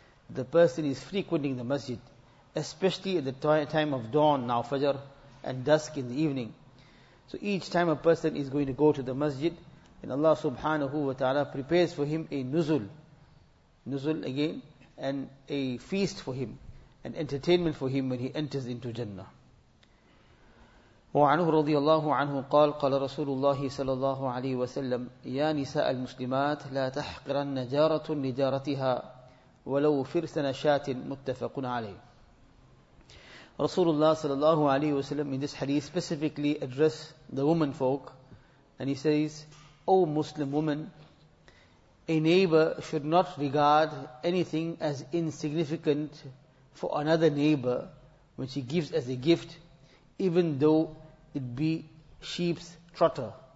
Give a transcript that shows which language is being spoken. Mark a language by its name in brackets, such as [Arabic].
[English] The person is frequenting the masjid, especially at the time of dawn, now fajr, and dusk in the evening. So each time a person is going to go to the masjid, and Allah subhanahu wa ta'ala prepares for him a nuzul. Nuzul again, and a feast for him, an entertainment for him when he enters into Jannah. [Arabic] وعنه رضي الله عنه قال قال رسول الله صلى الله عليه وسلم يا نساء المسلمات لا تحقرن جارة لجارتها ولو فرس نشاة متفق عليه. [English] Rasulullah [Arabic] صلى الله عليه وسلم [English] in this hadith specifically address the woman folk, and he says, O Muslim woman, a neighbor should not regard anything as insignificant for another neighbor when she gives as a gift, even though it be sheep's trotter.